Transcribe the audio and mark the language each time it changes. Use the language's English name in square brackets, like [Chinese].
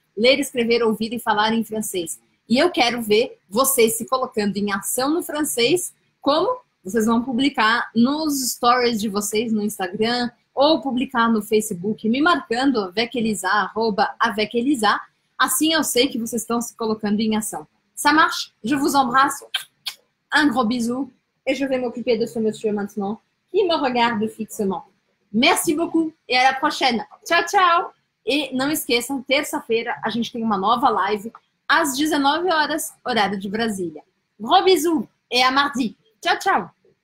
[Portuguese] Ler, escrever, ouvir e falar em francês. E eu quero ver vocês se colocando em ação no francês, como vocês vão publicar nos stories de vocês no Instagram ou publicar no Facebook, me marcando @avecelisa. Assim eu sei que vocês estão se colocando em ação. [French] Ça marche? Je vous embrasse. Un gros bisou. Et je vais m'occuper de ce monsieur maintenant qui me regarde fixement. Merci beaucoup et à la prochaine. [Italian] Ciao, ciao. [Portuguese] E não esqueçam, terça-feira a gente tem uma nova live às 19 horas, horário de Brasília. [French] Gros bisous et à mardi. [Portuguese] Ciao, ciao.